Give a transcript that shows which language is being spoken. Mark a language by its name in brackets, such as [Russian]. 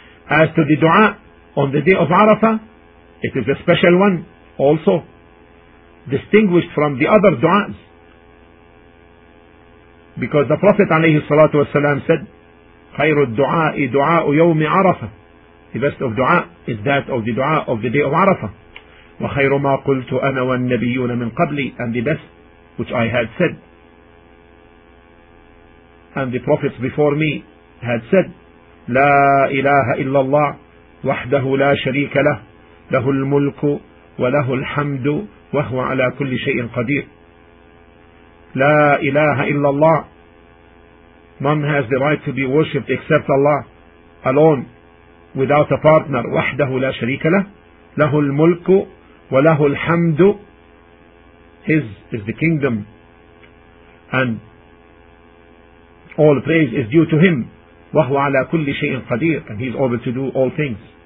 [English] As to the dua on the day of Arafah, it is a special one also, distinguished from the other duas. Because the Prophet alayhi salatu wasalam said, [Arabic] خير الدعاء دعاء يوم عرفة. [English] The best of dua is that of the dua of the day of Arafah. [Arabic] وخير ما قلت أنا والنبيون من قبلي. [English] And the best which I had said, [Arabic] and the prophets before me had said, لا إله إلا الله وحده لا شريك له له الملك وله الحمد وهو على كل شيء قدير. لا إله إلا الله, [English] none has the right to be worshipped except Allah alone, without a partner. [Arabic] وحده لا شريك له له الملك وله الحمد. [English] His is the kingdom and all praise is due to him. [Arabic] وهو على كل شيء قدير, [English] and he is able to do all things.